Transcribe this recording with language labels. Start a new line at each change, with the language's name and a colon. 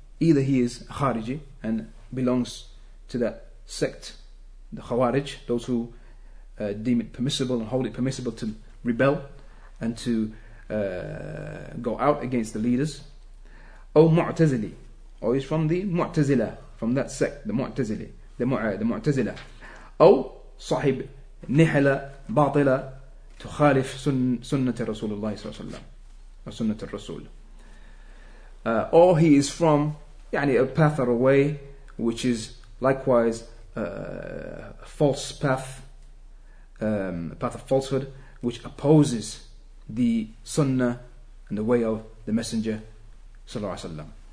English: Either he is khariji and belongs to that sect, the khawarij, those who deem it permissible and hold it permissible to rebel and to go out against the leaders.
Arabic: أو مُعْتَزِلِ.
English: Or he's from the mu'tazila, from that sect, the mu'tazili, the mu'tazila.
Arabic: أو صاحب نحلة باطلة تخالف سنة رسول الله صلى الله عليه وسلم or سنة الرسول.
English: Or he is from يعني, a path or a way which is likewise a false path, a path of falsehood, which opposes the sunnah and the way of the messenger صلى الله عليه وسلم.